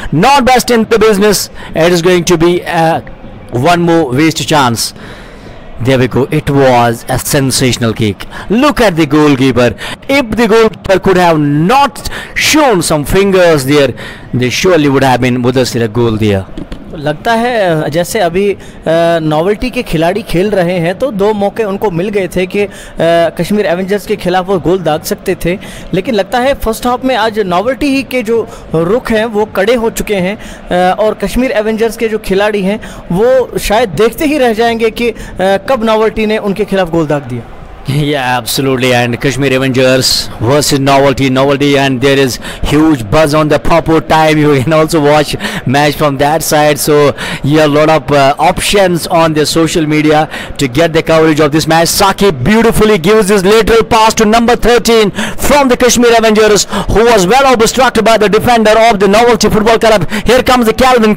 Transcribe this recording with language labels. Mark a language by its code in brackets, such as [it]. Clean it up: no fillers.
[en] Not best in the business. It is going to be one more waste chance. There we go. It was a sensational kick. Look at the goalkeeper. If the goalkeeper could have not shown some fingers there, they surely would have been with us in a goal there. [hi] लगता है जैसे अभी novelty के खिलाड़ी खेल रहे हैं, तो दो मौके उनको मिल गए थे कि कश्मीर एवेंजर्स के खिलाफ वो गोल दाग सकते थे, लेकिन लगता है फर्स्ट हाफ में आज नोवेल्टी ही के जो रुख हैं वो कड़े हो चुके हैं, और कश्मीर एवेंजर्स के जो खिलाड़ी हैं वो शायद देखते ही रह जाएंगे कि कब नोवेल्टी ने उनके खिलाफ गोल दाग दिया। [en] Yeah, absolutely. And Kashmir Avengers versus Novelty. Novelty, and there is huge buzz on the proper time. You can also watch match from that side. So, yeah, a lot of options on the social media to get the coverage of this match. Saki beautifully gives his lateral pass to number 13 from the Kashmir Avengers, who was well obstructed by the defender of the Novelty Football Club. Here comes the Calvin.